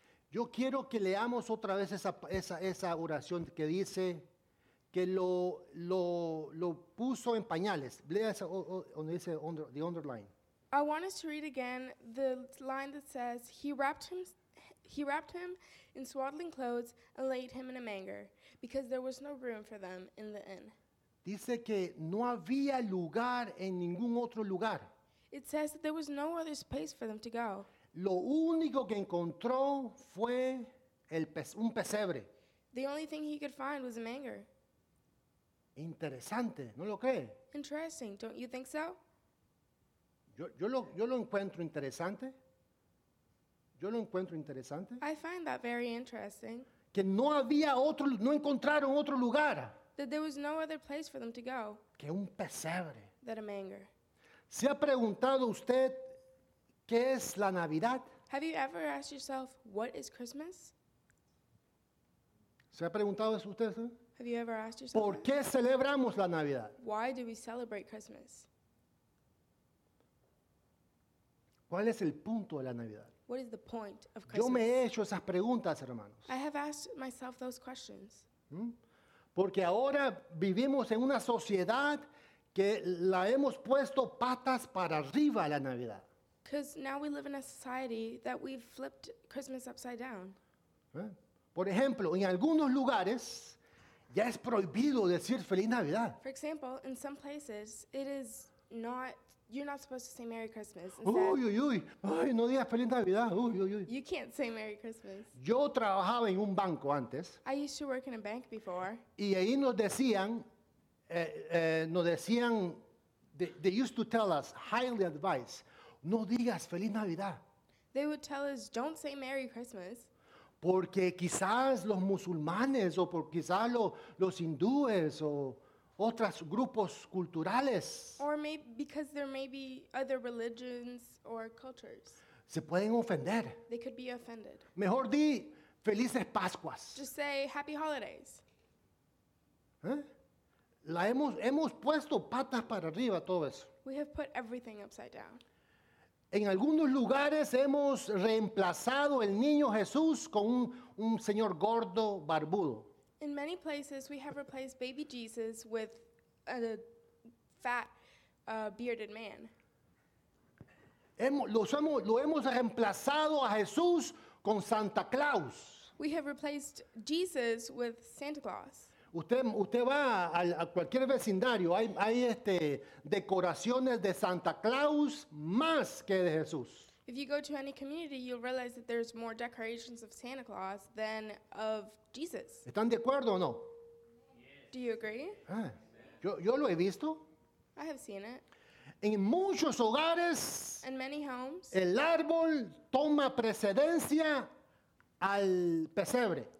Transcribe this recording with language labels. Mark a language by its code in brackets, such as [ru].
[es] Yo quiero que leamos otra vez esa oración que dice que lo puso en pañales. Lea esa, donde dice [en] the underline. I want us to read again the line that says, he wrapped him in swaddling clothes and laid him in a manger, because there was no room for them in the inn. [es] Dice que no había lugar en ningún otro lugar. [en] It says that there was no other space for them to go. [es] Lo único que encontró fue un pesebre. [en] The only thing he could find was a manger. [es] Interesante, ¿no lo cree? [en] Interesting, don't you think so? [es] Yo lo encuentro interesante. Yo lo encuentro interesante. [en] I find that very interesting. [es] Que no había otro, no encontraron otro lugar. [en] That there was no other place for them to go. [es] Que un pesebre. [en] That a manger. [es] ¿Se ha preguntado usted qué es la Navidad? [en] Have you ever asked yourself, what is Christmas? [es] ¿Se ha preguntado eso usted? [en] Have you ever asked yourself, [es] ¿por qué celebramos la Navidad? [en] Why do we celebrate Christmas? [es] ¿Cuál es el punto de la Navidad? [en] What is the point of Christmas? [es] Yo me he hecho esas preguntas, hermanos. [en] I have asked myself those questions. [es] Porque ahora vivimos en una sociedad que la hemos puesto patas para arriba la Navidad. [en] Because now we live in a society that we've flipped Christmas upside down. [es] Por ejemplo, en algunos lugares ya es prohibido decir Feliz Navidad. [en] For example, in some places it is not, you're not supposed to say Merry Christmas. [es] Uy, uy, uy. Ay, no digas Feliz Navidad. Uy, uy, uy. [en] You can't say Merry Christmas. [es] Yo trabajaba en un banco antes. [en] I used to work in a bank before. [es] Y ahí nos decían, [en] they used to tell us, highly advised, [es] no digas Feliz Navidad. [en] They would tell us, don't say Merry Christmas. [es] Porque quizás los musulmanes o por quizás los hindúes o otros grupos culturales. [en] Or maybe because there may be other religions or cultures. [es] Se pueden ofender. [en] They could be offended. [es] Mejor di felices Pascuas. [en] Just say happy holidays. [es] La hemos puesto patas para arriba todo eso. [en] We have put everything upside down. [es] En algunos lugares hemos reemplazado el niño Jesús con un señor gordo barbudo. [en] In many places we have replaced baby Jesus with a fat bearded man. [es] Lo hemos reemplazado a Jesús con Santa Claus. [en] We have replaced Jesus with Santa Claus. [es] Usted va a cualquier vecindario, hay decoraciones de Santa Claus más que de Jesús. [en] If you go to any community, you'll realize that there's more decorations of Santa Claus than of Jesus. [es] ¿Están de acuerdo o no? [en] Yes. Do you agree? [es] Yo lo he visto. [en] I have seen it. [es] En muchos hogares, [en] in many homes, [es] el árbol toma precedencia al pesebre.